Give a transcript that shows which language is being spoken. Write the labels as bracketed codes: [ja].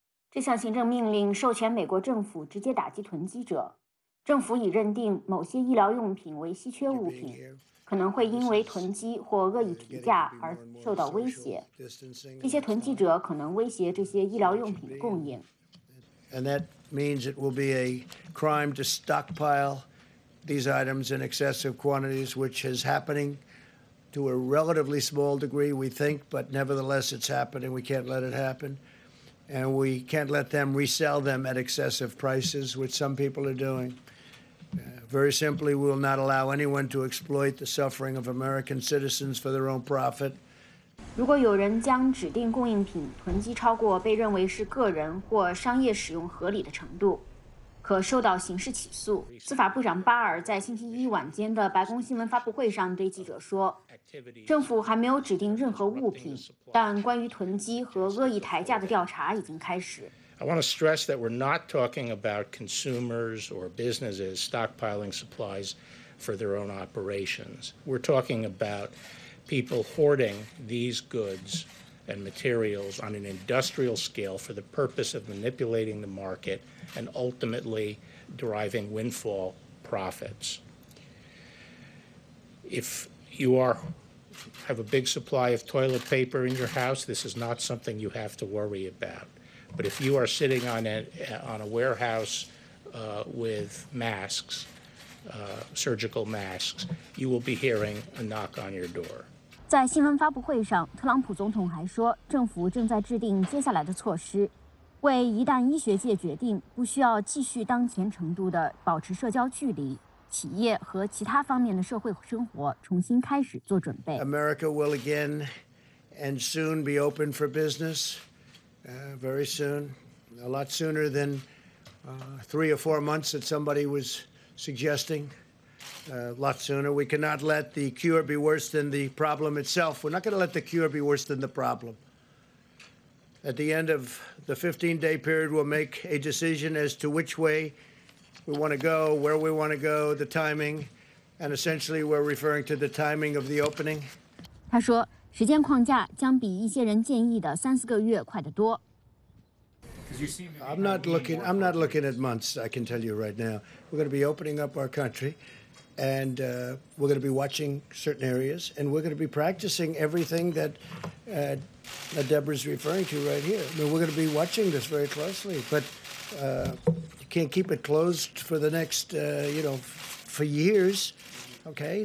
[zh] 这项行政命令授权美国政府直接打击囤积者。政府已认定某些医疗用品为稀缺物品，可能会因为囤积或恶意提价而受到威胁。这些囤积者可能威胁这些医疗用品的供应。 [en] And that means it will be a crime to stockpile these items in excessive quantities, which is happening to a relatively small degree, we think, but nevertheless, it's happening. We can't let it happen. And we can't let them resell them at excessive prices, which some people are doing. Very simply, we will not allow anyone to exploit the suffering of American citizens for their own profit. [zh] 如果有人将指定供应品囤积超过被认为是个人或商业使用合理的程度，可受到刑事起诉。司法部长巴尔在星期一晚间的白宫新闻发布会上对记者说，政府还没有指定任何物品，但关于囤积和恶意抬价的调查已经开始。 [en] I want to stress that we're not talking about consumers or businesses stockpiling supplies for their own operations. We're talking about people hoarding these goods and materials on an industrial scale for the purpose of manipulating the market and ultimately deriving windfall profits. If you have a big supply of toilet paper in your house, this is not something you have to worry about. But if you are sitting on a warehouse with masks, surgical masks, you will be hearing a knock on your door. [zh] 在新闻发布会上，特朗普总统还说，政府正在制定接下来的措施，为一旦医学界决定不需要继续当前程度的保持社交距离，企业和其他方面的社会生活重新开始做准备。 [en] America will again and soon be open for business. Very soon, a lot sooner than 3 or 4 months that somebody was suggesting. A lot sooner. We cannot let the cure be worse than the problem itself. We're not going to let the cure be worse than the problem. At the end of the 15-day period, we'll make a decision as to which way we want to go, where we want to go, the timing. And essentially, we're referring to the timing of the opening. [zh] 他说时间框架将比一些人建议的3-4个月快得多。 [en] I'm not looking at months, I can tell you right now. We're going to be opening up our country, and we're going to be watching certain areas, and we're going to be practicing everything that, that Deborah's referring to right here. I mean, we're going to be watching this very closely, but you can't keep it closed for the next, for years, okay?